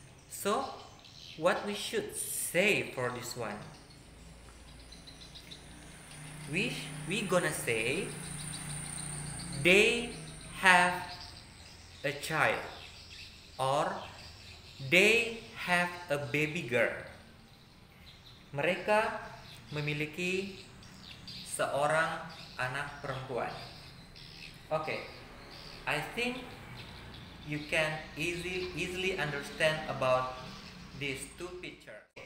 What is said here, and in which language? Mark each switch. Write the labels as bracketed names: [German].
[English] So, what we should say for this one? We gonna say they have a child or they have a baby girl. [Indonesian] Mereka memiliki seorang anak perempuan. [English] Okay, I think you can easily understand about these two pictures.